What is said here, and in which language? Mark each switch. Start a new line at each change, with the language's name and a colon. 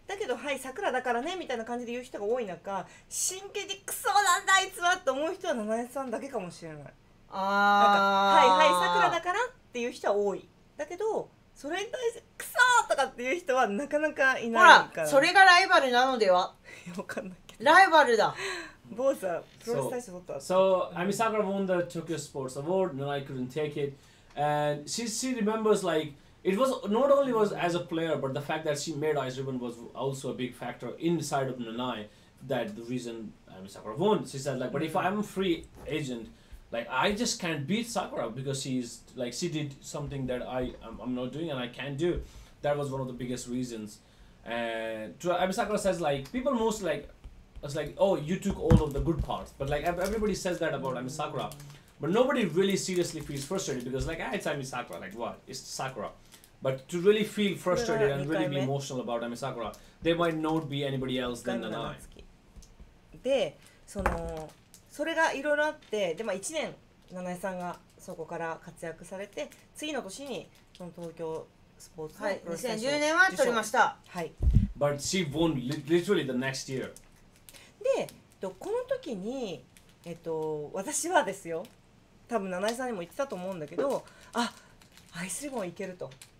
Japanese: だけどはい、桜だからねみたいな感じで言う人が多い中、真剣にクソなんだあいつはって思う人は七重さんだけかもしれない。ああ。はいはい、桜だからっていう人は多い。だけどそれに対してクソーとかっていう人はなかなかいないから。ほら、それがライバルなのでは。わかんないけど。ライバルだ。坊さん、プロレス大使取った。
English: So Amisakura won the Tokyo Sports Award, and I couldn't take it. And she remembers like. It was not only was as a player, but the fact that she made Ice Ribbon was also a big factor inside of Nanai that the reason Sakura won. She said like, but if I'm a free agent, like I just can't beat Sakura because she's like, she did something that I'm not doing and I can't do. That was one of the biggest reasons. And to Sakura says like, people most like, it's like, oh, you took all of the good parts. But like everybody says that about Sakura, but nobody really seriously feels frustrated because like, it's Sakura, like what? It's Sakura. But to really feel frustrated and really be emotional about Ami Sakura, there might not be anybody else than Nanai.
Japanese: で、その、それがいろいろあって、でも1年、Nanaiさんがそこから活躍されて、次の年にその東京スポーツの2010年は取りました。はい。
English: But she won literally the next year.
Japanese: で、この時に、私はですよ、多分Nanaiさんにも言ってたと思うんだけど、あ、アイスリボンいけると。